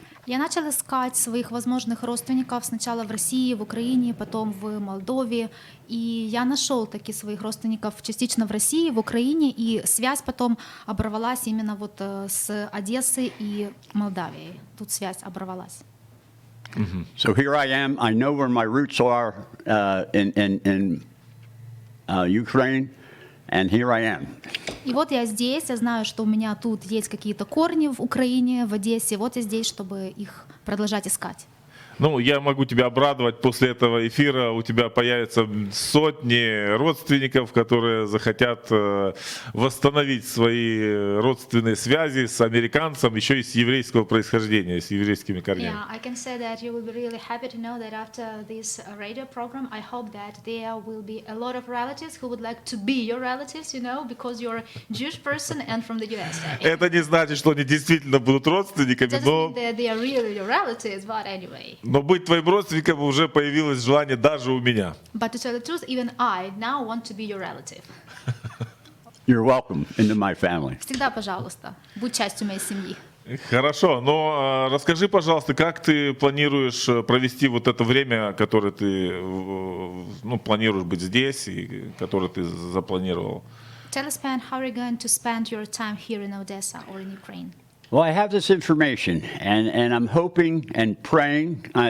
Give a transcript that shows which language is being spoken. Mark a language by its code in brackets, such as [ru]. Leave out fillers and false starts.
[ru] Я начал искать своих возможных родственников сначала в России, в Украине, потом в Молдове. И я нашел таки своих родственников частично в России, в Украине, и связь потом оборвалась именно вот с Одессы и Молдавией. Тут связь оборвалась. [en] Mm-hmm. So here I am. I know where my roots are in Ukraine. And here I am. [ru] И вот я здесь, я знаю, что у меня тут есть какие-то корни в Украине, в Одессе. Вот я здесь, чтобы их продолжать искать. Ну, я могу тебя обрадовать, после этого эфира у тебя появятся сотни родственников, которые захотят восстановить свои родственные связи с американцем, еще и с еврейского происхождения, с еврейскими корнями. [en] Yeah, I can say that you will be really happy to know that after this radio program, I hope that there will be a lot of relatives who would like to be your relatives, you know, because you're a Jewish person and from the US. [ru] Это не значит, что они действительно будут родственниками, но... [en] It doesn't mean that they are really your relatives, but anyway... [ru] Но быть твоим родственником уже появилось желание даже у меня. [en] But to tell the truth, even I now want to be your relative. You're welcome into my family. [ru] Всегда пожалуйста. Будь частью моей семьи. Хорошо. Но расскажи, пожалуйста, как ты планируешь провести вот это время, которое ты планируешь быть здесь и которое ты запланировал? [en] Tell us, Pan, how are you going to spend your time here in Odessa or in Ukraine? Well, I have this information, and I'm hoping and praying.